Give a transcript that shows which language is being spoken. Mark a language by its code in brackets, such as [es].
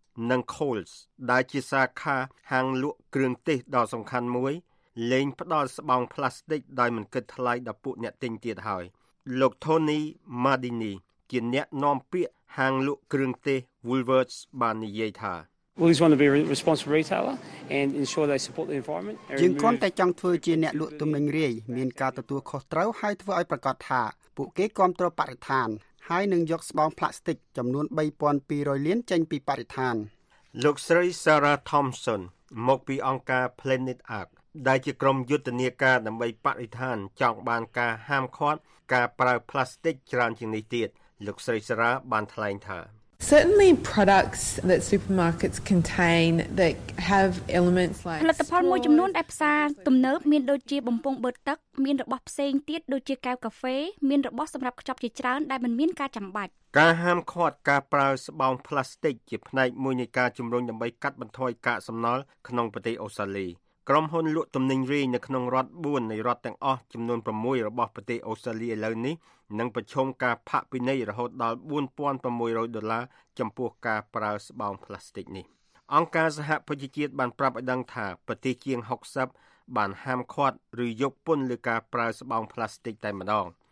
[km] និង Coles ដែលជាសាខាហាងលក់គ្រឿងទេសដ៏សំខាន់មួយលែងផ្ដល់ស្បោងផ្លាស្ទិកដោយមិនគិតថ្លៃដល់ពួកអ្នកទិញទៀតហើយលោក Tony Madini ជាអ្នកនាំពាក្យហាងលក់គ្រឿងទេស Woolworths បាននិយាយថា យើងចង់ជា [en] responsible retailer and ensure they support the environment [km] ជាងគាត់តែចង់ធ្វើជាអ្នកលក់ទំនិញរាយមានការទទួលខុសត្រូវហើយធ្វើឲ្យប្រកាសថាពួកគេគ្រប់គ្រងបរិស្ថានហើយនឹងយកស្បោងផ្លាស្ទិកចំនួន3200លានចេញពីបរិស្ថាន លោកស្រី Sarah Thompson មកពីអង្គការ Planet Ark ដែលជាក្រុមយុទ្ធនាការដើម្បីបរិស្ថានចង់បានការហាមឃាត់ការប្រើផ្លាស្ទិកច្រើនជាងនេះទៀតលោកស្រីសារ៉ាបានថ្លែងថា [en] Certainly products that supermarkets contain that have elements like [km] ផលិតផលមួយចំនួនដែលផ្សារទំនើបមានដូចជាបំពង់បឺតទឹកមានរបស់ផ្សេងទៀតដូចជាកែវកាហ្វេមានរបស់សម្រាប់ខ្ចប់ជាច្រើនដែលមិនមានការចាំបាច់ការហាមឃាត់ការប្រើស្បោងផ្លាស្ទិកជាផ្នែកមួយនៃការជំរុញដើម្បីកាត់បន្ថយកាកសំណល់ក្នុងប្រទេសអូស្ត្រាលីក្រុមហ៊ុនលក់ទំនិញរាយនៅក្នុងរដ្ឋ4នៃរដ្ឋទាំងអស់ចំនួន6របស់ប្រទេសអូស្ត្រាលីឥឡូវនេះនឹងប្រឈមការផាកពិន័យរហូតដល់ $4,600 ដុល្លារចំពោះការប្រើស្បោងផ្លាស្ទិកនេះអង្គការសហប្រជាជាតិបានប្រាប់ឲ្យដឹងថាប្រទេសជាង60បានហាមឃាត់ឬយកពន្ធលើការប្រើស្បោងផ្លាស្ទិកតែម្ដង